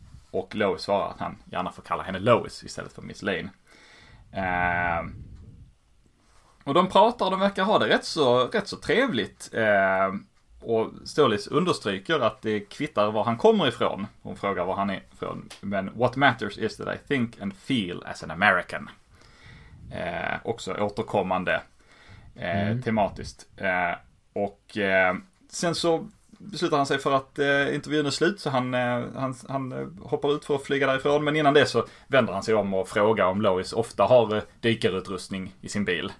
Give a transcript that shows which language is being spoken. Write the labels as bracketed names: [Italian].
[Swedish] Och Lois svarar att han gärna får kalla henne Lois istället för Miss Lane. Och de pratar, de verkar ha det rätt så trevligt. Och Stålis understryker att det kvittar var han kommer ifrån. Hon frågar var han är ifrån. [English] Men what matters is that I think and feel as an American. [Swedish] Också återkommande tematiskt. Och sen så beslutar han sig för att intervjun är slut. Så han hoppar ut för att flyga därifrån. Men innan det så vänder han sig om och frågar om Lois ofta har dykarutrustning i sin bil.